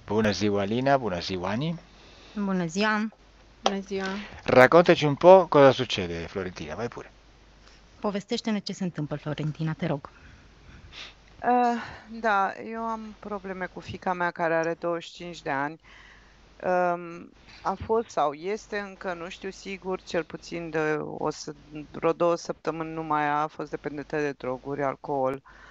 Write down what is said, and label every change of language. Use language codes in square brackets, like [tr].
[ro] ziua, Alina, bună ziua, Ani! Bună ziua! Bună ziua! [it] Raccontaci un po' cosa succede, Florentina, vai pure. [ro] Povestește-ne ce se întâmplă, Florentina, te rog. Da, eu am probleme cu fica mea care are 25 de ani. A fost sau este încă, nu știu sigur, cel puțin de vreo 2 săptămâni numai a fost dependentă de droguri, alcool.